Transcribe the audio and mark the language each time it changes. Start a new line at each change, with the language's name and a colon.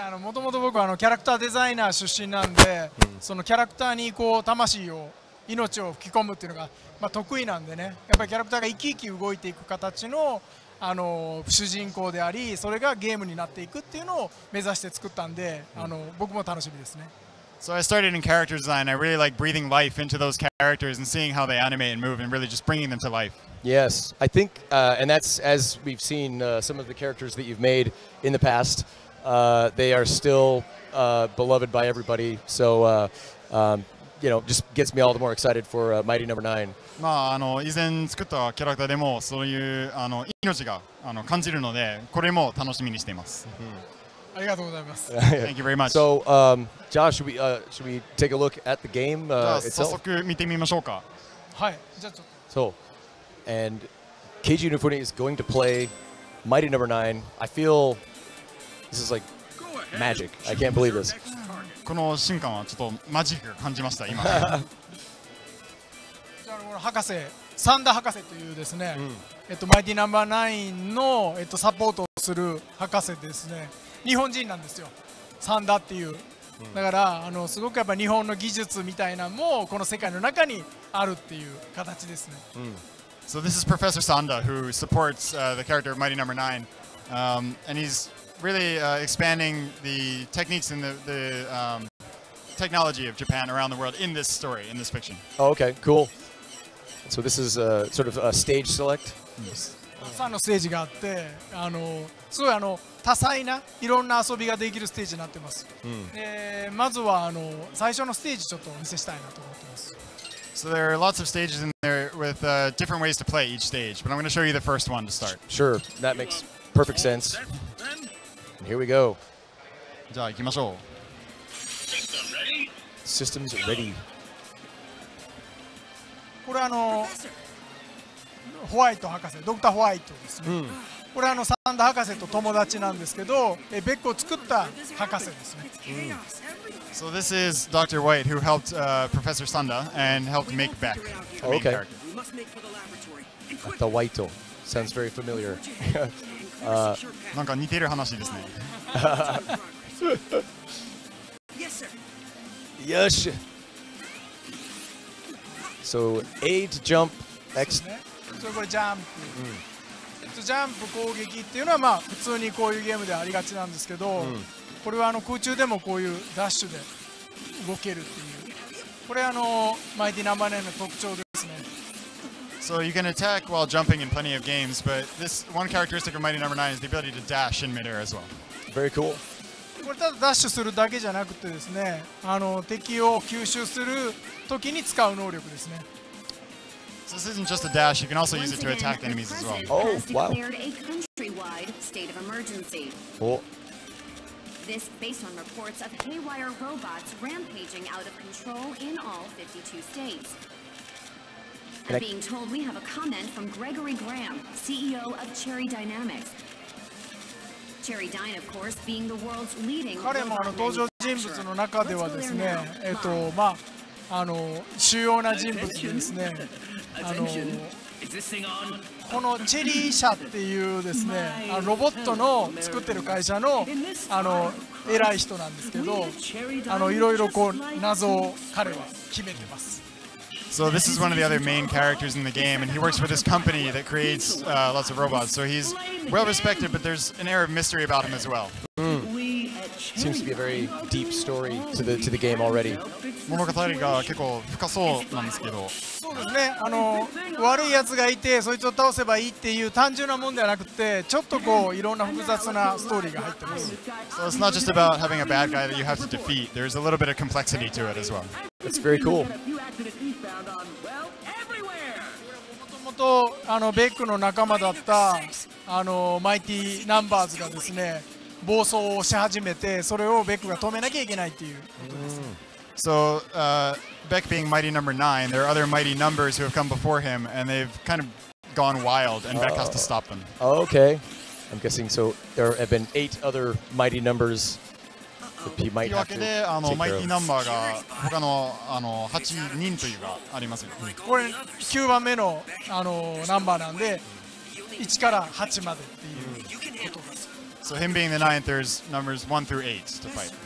Japanese: あの、もともと僕はあのキャラクターデザイナー出身なんで、そのキャラクターにこう魂を命を吹き込むっていうのが、まあ、得意なんでね。やっぱりキャラクターが生き生き動いていく形のあの主人公であり、それがゲームになっていくっていうのを目指して作ったんで、あの僕も楽しみですね。
English: So I started in character design. I really like breathing life into those characters and seeing how they animate and move and really just bringing them to life. Yes, I think, and that's as we've seen some of the characters that you've made in the past. They are still beloved by everybody. So, just gets me all the more excited for Mighty No. 9.
Japanese: まあ、あの以前作ったキャラクターでもそういうあの命があの感じるので、これも楽しみにしています。ありがとうございます。
English: Thank you very much. So, Josh, should we take a look at the game itself?
Japanese: 早速見てみましょうか。はい、じゃあちょっと。
English: So, and Keiji Inafune is going to play Mighty No. 9. I feel this is like magic. I can't believe this.
Japanese: この瞬間はちょっとマジックを感じました、今。博士、サンダー博士というですね、マイティナンバーナインの、サポートをする博士ですね。日本人なんですよ、サンダーっていう。だからあのすごくやっぱ日本の技術みたいなもこの世界の中にあるっていう形ですね。
English: So this is Professor Sanda who supports the character of Mighty No. 9, and he's really expanding the techniques and the technology of Japan around the world in this story, in this fiction. Oh, okay, cool. So this is a sort of a stage select. Yes.
Japanese: さんのステージがあって、あのすごいあの多彩ないろんな遊びができるステージになってます。まずはあの最初のステージちょっとお見せしたいなと思ってます。
English: So there are lots of stages in there with different ways to play each stage, but I'm going to show you the first one to start. Sure, that makes perfect sense. And here we go.
Japanese: じゃあ行きましょう。
English: System's ready.
Japanese: これはあのホワイト博士、ドクターホワイトですね、うん、これはあのサンダ博士と友達なんですけど、ベックを作った博士ですね、うん、
English: So this is Dr. White who helped Professor Sanda and helped make Beck the main character. Dr. White though. Sounds very familiar.
Japanese: なんか似てる話ですね。よし。
English: So A to jump, X.
Japanese: それこれジャンプ。ジャンプ攻撃っていうのはまあ普通にこういうゲームではありがちなんですけど、これはあの空中でもこういうダッシュで動けるっていう、これあのマイティナンバーナインの特徴ですね。
English: So you can attack while jumping in plenty of games, but this one characteristic of Mighty No. 9 is the ability to dash in midair as well. Very cool.
Japanese: これただダッシュするだけじゃなくてですね、あの敵を吸収するときに使う能力ですね。
English: So this isn't just a dash, you can also use it to attack enemies as well. Oh, wow. Has declared a countrywide state of emergency. Cool. This based on reports of haywire robots rampaging out of control in all 52 states. And being told we have a comment from Gregory Graham, CEO of Cherry Dynamics. Cherry Dyne, of course, being the world's leading robot manufacturer.
Japanese: 彼も登場人物の中ではですね、まあ、あの主要な人物でですね、あのこのチェリー社っていうですね、あのロボットの作ってる会社のあの偉い人なんですけど、あのいろいろこう謎を彼は決めてます。
English: So this is one of the other main characters in the game, and he works for this company that creates lots of robots, so he's well respected, but there's an air of mystery about him as well. Seems to be a very deep story to the game already.
Japanese: 物語が結構深そうなんですけど。そうですね。あの悪いやつがいて、そいつを倒せばいいっていう単純なもんではなくて、ちょっとこういろんな複雑なストーリーが入ってます。
English: So it's not just about having a bad guy that you have to defeat. There's a little bit of complexity to it as well. That's very cool.
Japanese: もともとベックの仲間だったあのマイティナンバーズがですね、暴走をし始めて、それをベックが止めなきゃいけないっていうことです。
English: So, Beck being Mighty Number 9, there are other Mighty Numbers who have come before him, and they've kind of gone wild, and Beck has to stop them. Okay. I'm guessing so. There have been 8 other Mighty Numbers that he might have to take care of.
Japanese: Mighty Number が他の、あの、8人というかありますよ。これ9番目の、あの、ナンバーなんで、1から8までっていうことです。
English: So him being the ninth, there's numbers 1 through 8 to fight.